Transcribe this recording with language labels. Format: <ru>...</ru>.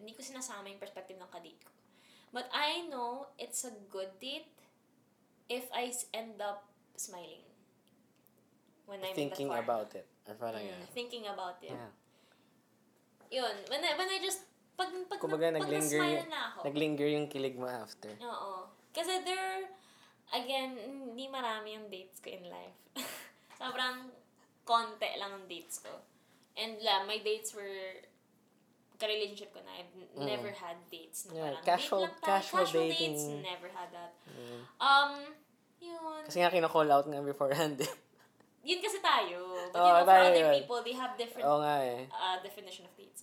<tl>Hindi ko sinasama yung perspective ng kadate ko.</tl> <en>But I know it's a good date if I end up smiling when I'm thinking about it. Thinking about it. Yeah. Yun, when I just</en> <tl>pag kumbaga, pag naglinger na ako. Naglinger yung kilig mo after. Oo. Kasi</tl> <en>there again,</en> <tl>hindi marami yung dates ko</tl> <en>in life.</en> <tl>Sobrang konti lang ang dates ko.</tl> <en>And la, my dates were</en> <tl>ka-relationship ko na.</tl> <en>I've never had dates</en> <tl>na parang</tl> <en>casual dating. Dates, never had that. Yun.</en> <tl>Kasi nga kina-call out nga beforehand. Yun kasi tayo.</tl> <en>But you know, for other people, they have different definition of dates.</en>